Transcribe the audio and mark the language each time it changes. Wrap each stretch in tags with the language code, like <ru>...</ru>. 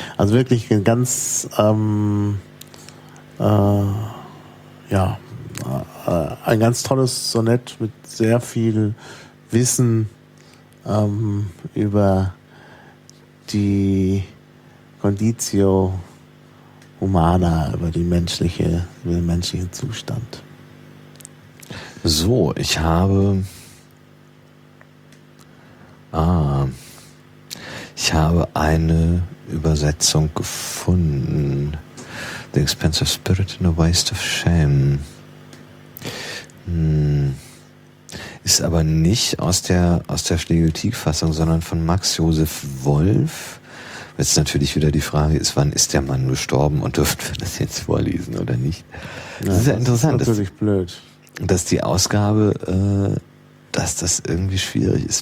<de>Also wirklich ein ganz ein ganz tolles Sonett mit sehr viel Wissen über die Conditio Humana, über die menschliche, über den menschlichen Zustand. So, ich habe eine Übersetzung gefunden.</de> <en>The Expense of Spirit in a Waste of Shame.</en> <de>Ist aber nicht aus der Schlegel-Tieg-Fassung, sondern von Max Josef Wolf. Jetzt ist natürlich wieder die Frage, ist, wann ist der Mann gestorben und dürfen wir das jetzt vorlesen oder nicht? Das ja, ist ja das interessant. Das ist natürlich blöd. Dass die Ausgabe, dass das irgendwie schwierig ist.</de>